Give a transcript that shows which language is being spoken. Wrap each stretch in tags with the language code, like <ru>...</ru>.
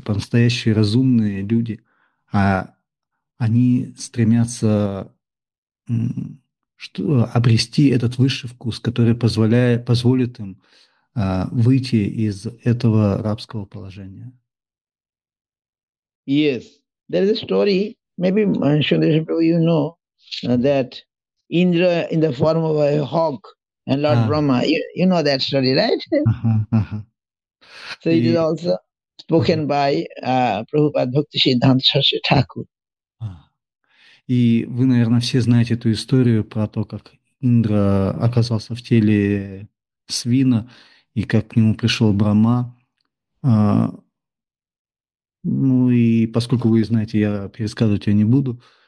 <ru>По-настоящему разумные люди, они стремятся обрести этот высший вкус, который позволит им выйти из этого рабского положения.</ru> <en>Yes, there is a story. Maybe Shundesh Prabhu, you know that Indra in the form of a hawk and Lord Brahma. You know that story, right? So it is also spoken by Prabhupada Bhakti Siddhanta Saraswati</en> <ru>И вы, наверное, все знаете эту историю про то, как Индра оказался в теле свина и как к нему пришел Брахма. Ну и поскольку вы знаете, я пересказывать ее не буду.</ru>